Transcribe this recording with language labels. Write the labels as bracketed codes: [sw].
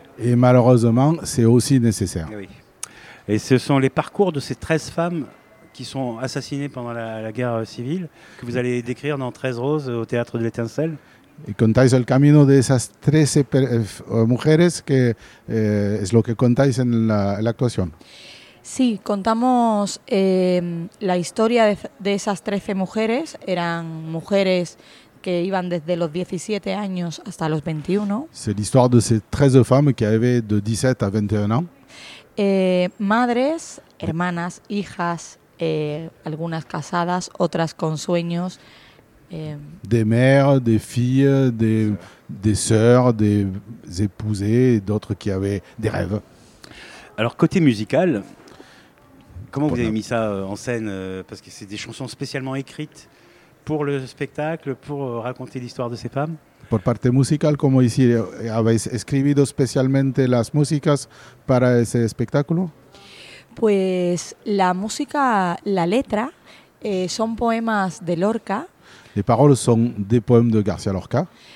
[fr] Y malheureusement, c'est aussi nécessaire. Oui. Et ce sont les parcours de ces 13 femmes qui sont assassinées pendant la guerre civile que vous allez décrire dans 13 roses au Théâtre de l'Étincelle. [es] Et contáis el camino de esas 13 mujeres que es lo que contáis en la actuación. Sí, contamos la historia de esas 13 mujeres, eran mujeres que iban desde los 17 años hasta los 21. [fr] C'est l'histoire de ces 13 femmes qui avaient de 17 à 21 ans. [es] Madres, hermanas, hijas, algunas casadas, otras con sueños. [fr] Des mères, des filles, des sœurs, des épousées, d'autres qui avaient des rêves. Alors côté musical, comment vous avez mis ça en scène? Parce que c'est des chansons spécialement écrites pour le spectacle, pour raconter l'histoire de ces femmes. [es] Por parte musical, como ici, habéis escrito especialmente las músicas para ese espectáculo? Pues la música, la letra, son poemas de Lorca. [fr] Les paroles son des poèmes de García Lorca.